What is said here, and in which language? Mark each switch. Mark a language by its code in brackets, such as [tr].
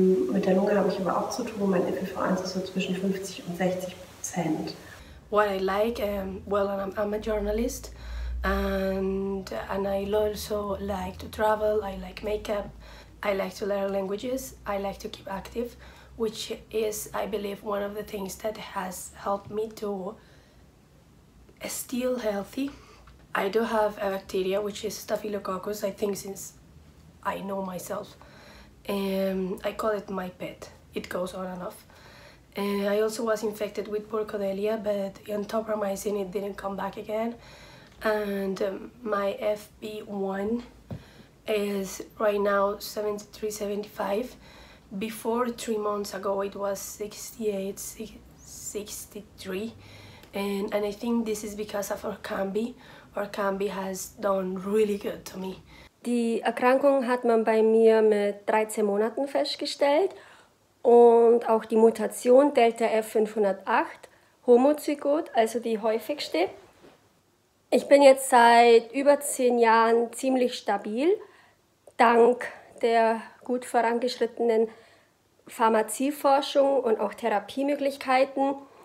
[de] Mit der Lunge habe ich aber auch zu tun, mein FEV1 ist so zwischen 50% und 60%. [en] What I like, well, I'm a journalist and I also like to travel, I like makeup, I like to learn languages, I like to keep active, which is, I believe, one of the things that has helped me to still healthy. I do have a bacteria which is Staphylococcus, I think, since I know myself. I call it my pet. It goes on and off. I also was infected with Borrelia, but Entopramycin, it didn't come back again. And my FB1 is right now 73-75. Before 3 months ago, it was 68-63. And I think this is because of Orkambi. Orkambi has done really good to me. [de] Die Erkrankung hat man bei mir mit 13 Monaten festgestellt. Und auch die Mutation Delta F508, Homozygot, also die häufigste. Ich bin jetzt seit über 10 Jahren ziemlich stabil, dank der gut vorangeschrittenen Pharmazieforschung und auch Therapiemöglichkeiten.